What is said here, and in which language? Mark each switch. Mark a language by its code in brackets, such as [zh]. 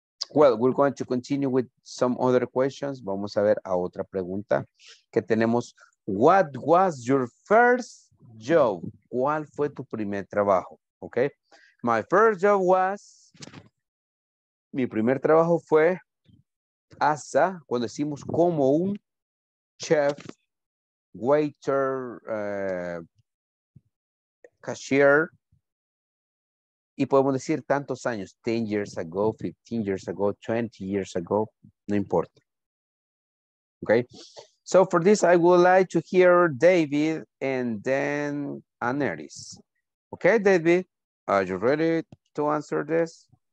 [en] Well, we're going to continue with some other questions. [es] Vamos a ver a otra pregunta que tenemos. [en] What was your first job? [es] ¿Cuál fue tu primer trabajo? Okay. [en] My first job was, [es] mi primer trabajo fue as a, cuando decimos como un chef, waiter, cashier. Y podemos decir tantos años, [en] 10 years ago, 15 years ago, [es] 20 years ago, no importa. [en] Okay. So for this, I would like to hear David and then Aneris. Okay, David, are you ready to answer this?